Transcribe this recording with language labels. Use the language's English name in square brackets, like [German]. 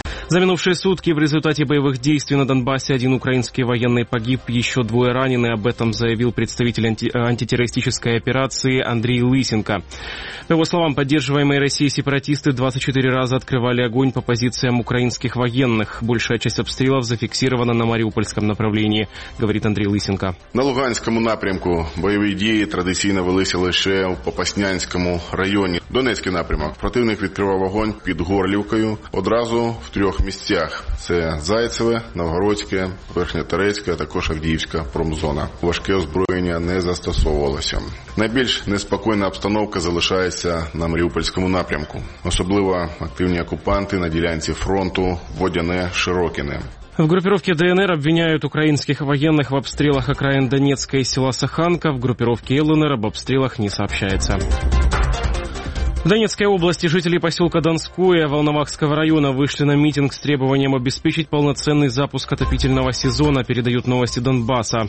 [Russian] За минувшие сутки в результате боевых действий на Донбассе один украинский военный погиб, еще 2 ранены. Об этом заявил представитель антитеррористической операции Андрей Лысенко. По его словам, поддерживаемые Россией сепаратисты 24 раза открывали огонь по позициям украинских военных. Большая часть обстрелов зафиксирована на Мариупольском направлении, говорит Андрей Лысенко. [Ukrainian] На Луганському напрямку бойові дії традиційно велися лише в Попаснянському районі. Донецький напрямок. Противник відкривав огонь під Горлівкою одразу в 3 місцях. Це Зайцеве, Новгородське, Верхньотерецьке, а також Авдіївська промзона. Важке озброєння не застосовувалося. Найбільш неспокійна обстановка залишається на Маріупольському напрямку. Особливо активні окупанти на ділянці фронту Водяне-Широкине. [Russian] В группировке ДНР обвиняют украинских военных в обстрелах окраин Донецка и села Саханка. В группировке ЛНР об обстрелах не сообщается. В Донецкой области жители поселка Донское Волновахского района вышли на митинг с требованием обеспечить полноценный запуск отопительного сезона, передают новости Донбасса.